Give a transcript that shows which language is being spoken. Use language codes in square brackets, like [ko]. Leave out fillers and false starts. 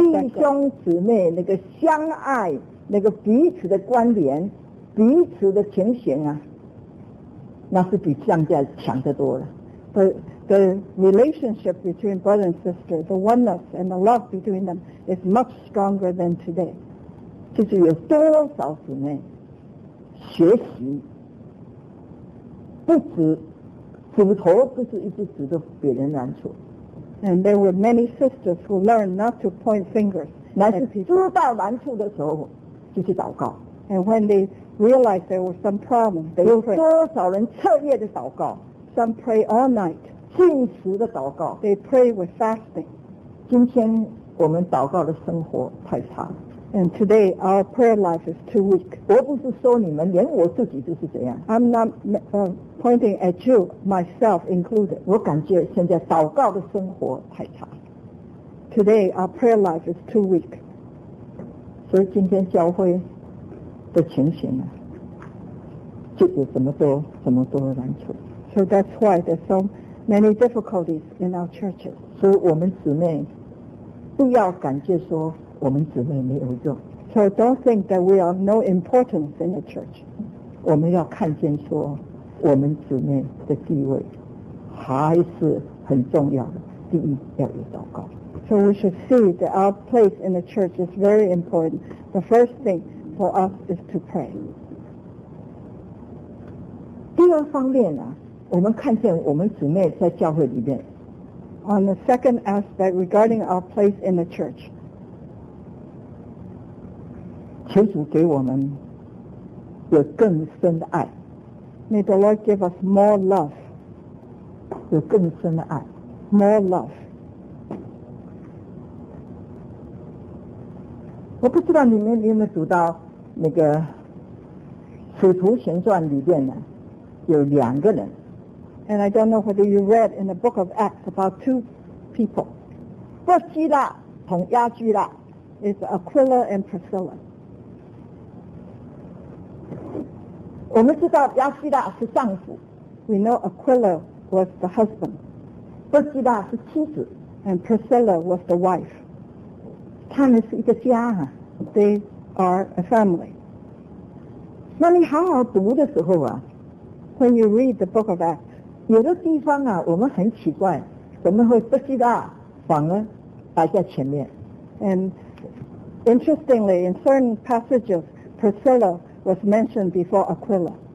[zh] 但是弟兄姊妹那个相爱，那个彼此的关联，彼此的情形啊，那是比上家强得多了。 [en] The relationship between brother and sister, the oneness and the love between them is much stronger than today. [zh] 就是有多少姊妹学习不止指头，不是一直指着别人难处。 [en] And there were many sisters who learned not to point fingers. [zh] 乃是知道难处的时候就去祷告。 [en] And when they realized there was some problem, they prayed. [zh] 有多少人彻夜的祷告？ [en] Some pray all night. [zh] 禁食的祷告 [en] They pray with fasting. [zh] 今天我们祷告的生活太差了 [en] And today our prayer life is too weak. [zh] 我不是说你们连我自己都是这样 [en] I'm not pointing at you, myself included. [zh] 我感觉现在祷告的生活太差 [en] Today our prayer life is too weak. [zh] 所以今天教会的情形啊，就有这么多这么多的难处 [en] So that's why there's so many difficulties in our churches. [zh] 所以我们姊妹不要感觉说我们姊妹没有用。 [en] So don't think that we are no importance in the church. [zh] 我们要看见说我们姊妹的地位还是很重要的。第一要有祷告。 [en] So we should see that our place in the church is very important. The first thing for us is to pray. [zh] 第二方面啊，我们看见我们姊妹在教会里面。 [en] On the second aspect regarding our place in the church, [zh] 求主给我们有更深的爱。 [en] May the Lord give us more love. [zh] 有更深的爱。 [en] More love. [zh] 我不知道你们有没有读到那个《使徒行传》里面呢，有两个人。 [en] And I don't know whether you read in the book of Acts about two people. [zh] 波西拉和亚居拉 [en] is Aquila and Priscilla. [zh] 我们知道亚居拉是丈夫。 [en] We know Aquila was the husband. [zh] 波西拉是妻子。 [en] And Priscilla was the wife. [zh] 他们是一个家啊。 [en] They are a family. [zh] 那你好好读的时候啊， [en] When you read the book of Acts, [zh] 有的地方啊，我们很奇怪，怎么会不记得反而摆在前面 [en] ？And interestingly, in certain passages, Priscilla was mentioned before Aquila.